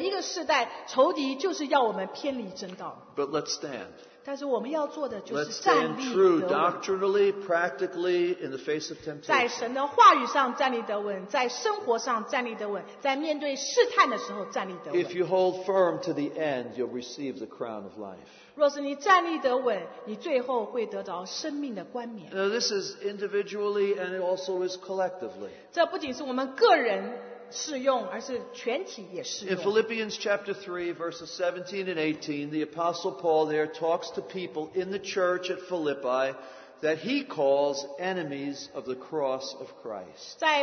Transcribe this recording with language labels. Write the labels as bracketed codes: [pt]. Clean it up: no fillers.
[zh] 所以我们知道，不仅是在我们这个时代，而且在每一个时代，仇敌就是要我们偏离真道。 [en] But let's stand. [zh] 但是我们要做的就是站立得稳。 [en] Let's stand true doctrinally, practically, in the face of temptation. [zh] 在神的话语上站立得稳，在生活上站立得稳，在面对试探的时候站立得稳。 [en] If you hold firm to the end, you'll receive the crown of life. [zh] 若是你站立得稳，你最后会得到生命的冠冕。 [en] Now this is individually and it also is collectively. [zh] 这不仅是我们个人。适用，而是全体也适用。 [en] In Philippians chapter 3, verses 17 and 18, the Apostle Paul there talks to people in the church at Philippi that he calls enemies of the cross of Christ.